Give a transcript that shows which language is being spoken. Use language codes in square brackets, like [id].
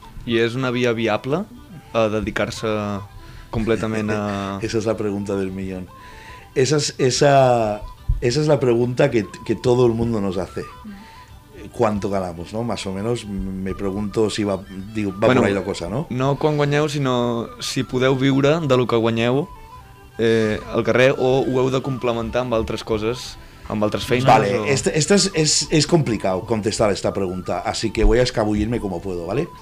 [es] ¿Y es una vía viable a dedicarse completamente a...? Esa es la pregunta del millón. Esa es la pregunta que todo el mundo nos hace. ¿Cuánto ganamos, no? Más o menos me pregunto si va, digo, va, bueno, por ahí la cosa, ¿no? [ca] No quan guanyeu, sinó si podeu viure de lo que guanyeu al carrer, o ho heu de complementar amb altres coses, amb altres feines. [es] Vale, o... esto es complicado contestar esta pregunta, así que voy a escabullirme como puedo, ¿vale?